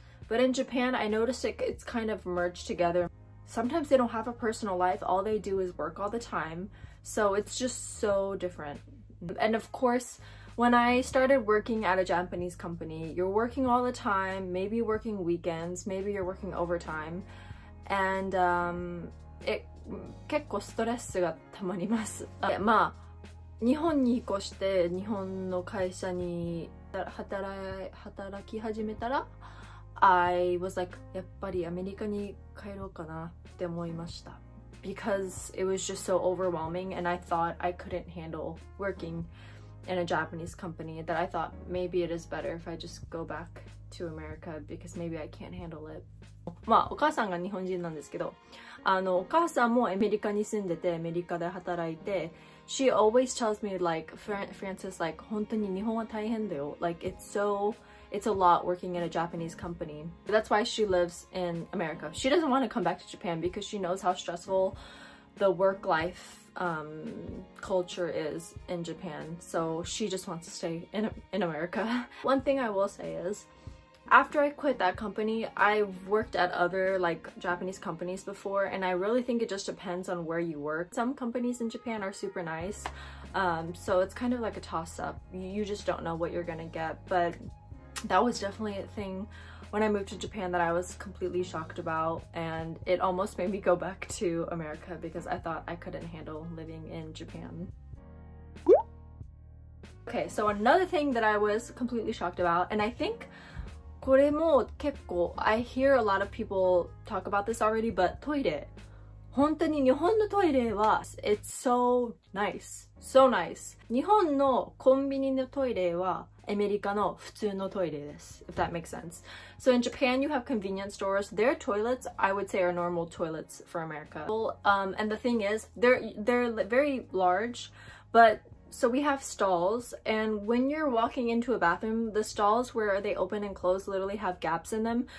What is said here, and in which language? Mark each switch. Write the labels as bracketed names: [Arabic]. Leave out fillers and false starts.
[English] But in Japan, I noticed it's kind of merged together. Sometimes they don't have a personal life. All they do is work all the time. So it's just so different. And of course, when I started working at a Japanese company, you're working all the time, maybe working weekends, maybe you're working overtime. And, it [Japanese] 結構ストレスがたまります。まあ、日本に引っ越して日本の会社に働き始めたら、 [English] I was like, [Japanese] やっぱりアメリカに帰ろうかなって思いました。 [English] Because it was just so overwhelming, and I thought I couldn't handle working in a Japanese company. That I thought maybe it is better if I just go back to America because maybe I can't handle it. [Japanese] まあお母さんが日本人なんですけど、お母さんもアメリカに住んでてアメリカで働いて、 [English] she always tells me like, Francis, like [Japanese] 本当に日本は大変だよ。 [English] Like it's a lot working in a Japanese company. That's why she lives in America. She doesn't want to come back to Japan because she knows how stressful the work-life, culture is in Japan. So she just wants to stay in America. One thing I will say is, after I quit that company, I've worked at other like Japanese companies before, and I really think it just depends on where you work. Some companies in Japan are super nice, so it's kind of like a toss-up. You just don't know what you're gonna get, but... That was definitely a thing when I moved to Japan that I was completely shocked about, and it almost made me go back to America because I thought I couldn't handle living in Japan. Okay, so another thing that I was completely shocked about, and I think [Japanese] これも結構 [English] I hear a lot of people talk about this already, but [Japanese] トイレ本当に日本のトイレは [English] it's so nice, so nice. [Japanese] 日本のコンビニのトイレはアメリカの普通のトイレです。 [English] If that makes sense. So in Japan, you have convenience stores. Their toilets, I would say, are normal toilets for America. And the thing is, they're very large. But so we have stalls. And when you're walking into a bathroom, the stalls where they open and close literally have gaps in them.